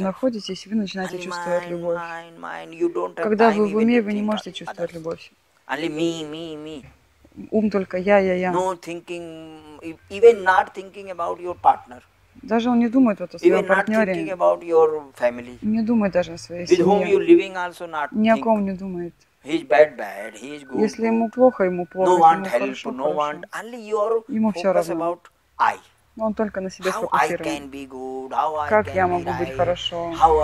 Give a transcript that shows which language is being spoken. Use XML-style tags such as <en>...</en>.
<ru>Находитесь, вы начинаете чувствовать любовь.</ru> <en>Mind, you don't.</en> <ru>Когда вы в уме, вы не можете чувствовать любовь.</ru> <en>Only me.</en> <ru>Ум только я.</ru> <en>No thinking, even not thinking about your partner.</en> <ru>Даже он не думает вот о своем партнере, не думает даже о своей семье, ни о ком не думает. Если ему плохо, ему плохо, если ему хорошо, хорошо, ему все равно. Он только на себе сфокусирует. Как я могу быть хорошо?</ru>